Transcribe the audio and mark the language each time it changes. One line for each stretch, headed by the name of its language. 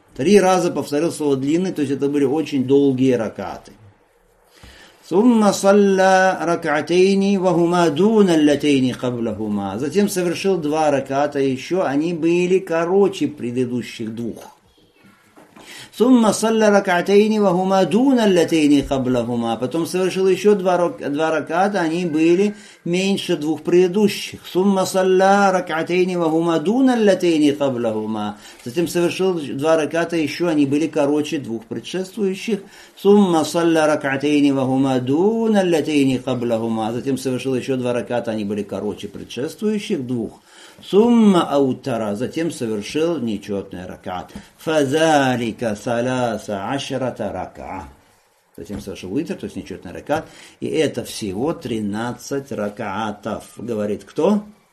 Russian: Три раза повторил слово длинный, то есть это были очень долгие ракаты.
Arabic: ثم صلى ركعتين وهما دون اللتين قبلهما.
Russian: Затем совершил два раката еще, они были короче предыдущих двух.
Arabic: ثم صلى ركعتين وهما دون اللتين قبلهما.
Russian: Потом совершил еще два раката, они были меньше двух предыдущих.
Arabic: ثم صلى ركعتين وهما دون اللتين قبلهما.
Russian: Затем совершил два раката еще, они были короче двух предшествующих.
Arabic: ثم صلى ركعتين وهما دون اللتين قبلهما.
Russian: Затем совершил еще два раката, они были короче предшествующих двух.
Arabic: Сумма аутара,
Russian: затем совершил нечетный ракат.
Arabic: Фазалика саляса ашрата рака.
Russian: Затем совершил витр, то есть нечетный ракат. И это всего 13 ракатов. Говорит кто?